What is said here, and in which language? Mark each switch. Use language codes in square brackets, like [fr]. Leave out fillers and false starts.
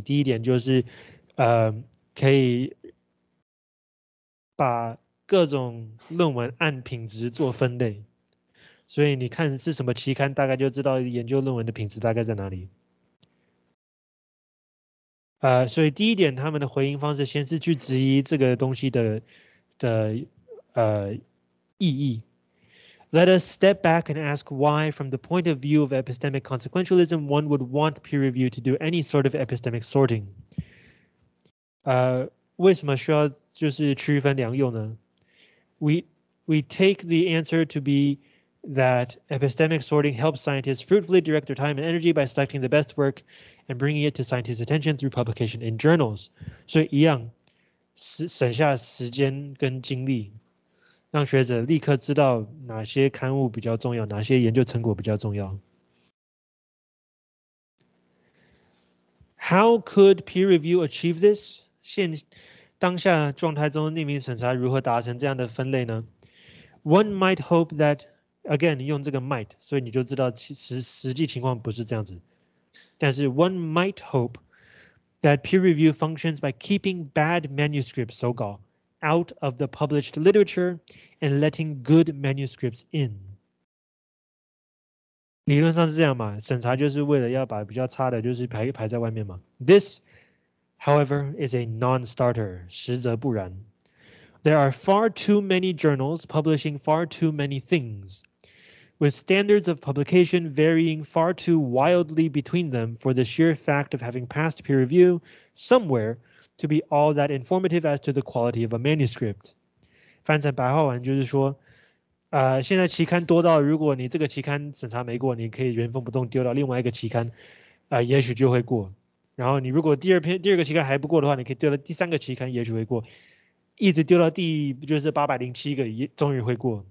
[zh] 第一点就是，可以把各种论文按品质做分类，所以你看是什么期刊，大概就知道研究论文的品质大概在哪里。所以第一点，他们的回应方式先是去质疑这个东西的意义。 [en] Let us step back and ask why, from the point of view of epistemic consequentialism, one would want peer review to do any sort of epistemic sorting. [zh] 为什么需要就是区分两用呢？ [en] We take the answer to be that epistemic sorting helps scientists fruitfully direct their time and energy by selecting the best work and bringing it to scientists' attention through publication in journals. [zh] 所以一样，省下时间跟精力，让学者立刻知道哪些刊物比较重要，哪些研究成果比较重要。 [en] How could peer review achieve this? [zh] 当下状态中的匿名审查如何达成这样的分类呢？ One might hope that, again, 用这个 might, 所以你就知道实际情况不是这样子。 [en] 但是 one might hope that peer review functions by keeping bad manuscripts, so-called, out of the published literature and letting good manuscripts in. [zh] 理论上是这样嘛，审查就是为了要把比较差的就是 排在外面嘛。 [en] This,However, is a non-starter, 实则不然。 There are far too many journals publishing far too many things, with standards of publication varying far too wildly between them for the sheer fact of having passed peer review somewhere to be all that informative as to the quality of a manuscript. [zh] 翻成白话文就是说，现在期刊多到如果你这个期刊审查没过，你可以原封不动丢到另外一个期刊，也许就会过。然后你如果第二个期刊还不过的话，你可以丢到第三个期刊，也许会过，一直丢到第就是807个，终于会过。